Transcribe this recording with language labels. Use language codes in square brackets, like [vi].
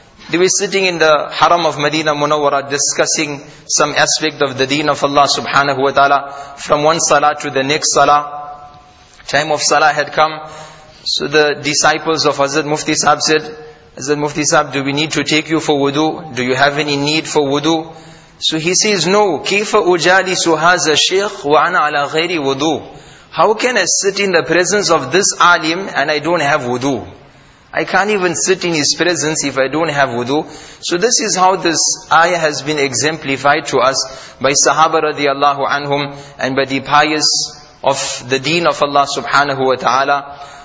[en] They were sitting in the haram of Medina Munawwara, discussing some aspect of the deen of Allah subhanahu wa ta'ala, from one salah to the next salah. Time of salah had come. So the disciples of Hazrat Mufti Sahib said, Hazrat Mufti Sahib, do we need to take you for wudu? Do you have any need for wudu? So he says, no. [ar] كَيْفَ أُجَالِسُ هَذَا الشَّيْخ وَعَنَا عَلَى غَيْرِ wudu. [en] How can I sit in the presence of this alim and I don't have wudu? I can't even sit in his presence if I don't have wudu. So this is how this ayah has been exemplified to us by Sahaba radiallahu anhum and by the pious of the deen of Allah subhanahu wa ta'ala.